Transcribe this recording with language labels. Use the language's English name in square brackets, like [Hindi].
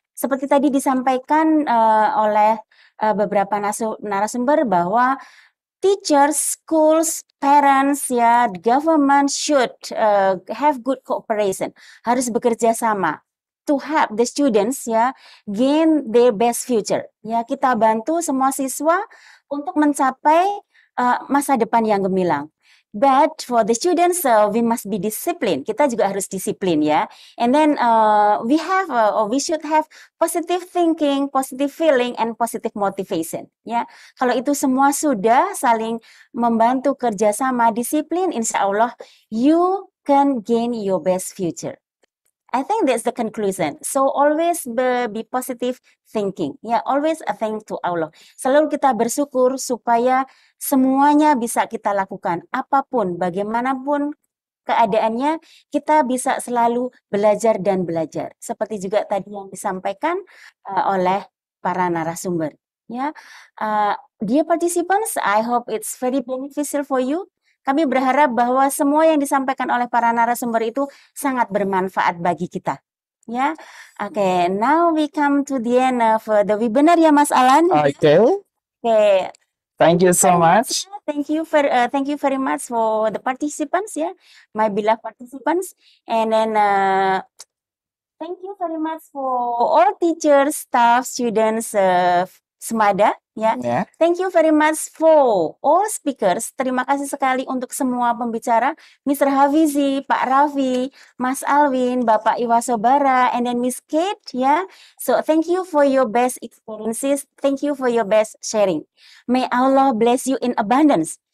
[Indonesian] Seperti tadi disampaikan oleh beberapa narasumber bahwa [English] teachers, schools, parents, ya, government should have good cooperation. [Indonesian] Harus bekerja sama [English] to help the students, ya, gain their best future. [Indonesian] Ya, kita bantu semua siswa untuk mencapai masa depan yang gemilang. [English] But for the students, we must be disciplined. [Indonesian] Kita juga harus disiplin, ya. [English] And then we should have positive thinking, positive feeling, and positive motivation. [Indonesian] Ya, kalau itu semua sudah saling membantu kerjasama, disiplin, insya Allah [English] you can gain your best future. I think that's the conclusion. So always be positive thinking. Ya, always a thank to Allah. [Indonesian] Selalu kita bersyukur supaya semuanya bisa kita lakukan. Apapun, bagaimanapun keadaannya, kita bisa selalu belajar dan belajar. Seperti juga tadi yang disampaikan oleh para narasumber. [English] Ya, dear participants, I hope it's very beneficial for you. [Indonesian] Kami berharap bahwa semua yang disampaikan oleh para narasumber itu sangat bermanfaat bagi kita. [English] Ya, okay. Now we come to the end of the webinar ya, Mas Alan. Okay. Thank you so much. Thank you very much for the participants ya, my beloved participants. And then thank you very much for all teachers, staff, students, SMADA. Yeah. Thank you very much for all speakers. [Indonesian] Terima kasih sekali untuk semua pembicara, Mr. [English] Hafizi, Pak Raffi, Mas Alwin, Bapak Iwasobara, and then Miss Kate. Yeah. So thank you for your best experiences. Thank you for your best sharing. May Allah bless you in abundance.